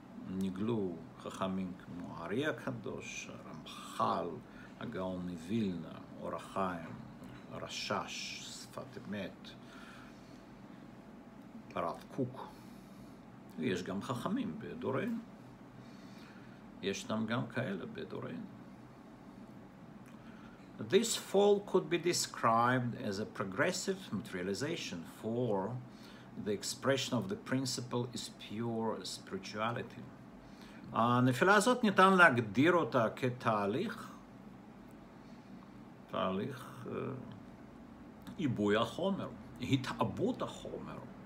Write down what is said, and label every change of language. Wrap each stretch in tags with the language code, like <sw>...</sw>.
<he>נגלו חכמים כמו אריה הקדוש, רמח"ל, הגאון מווילנה, אור החיים, רשש, שפת אמת, הרב קוק. יש גם חכמים בדורנו, ישנם גם כאלה בדורנו.</he> <en>This fall could be described as a progressive materialization, for the expression of the principle is pure spirituality.</en> <he>הנפילה הזאת ניתן להגדיר אותה כתהליך, תהליך עיבוי החומר, התעבות החומר.</he>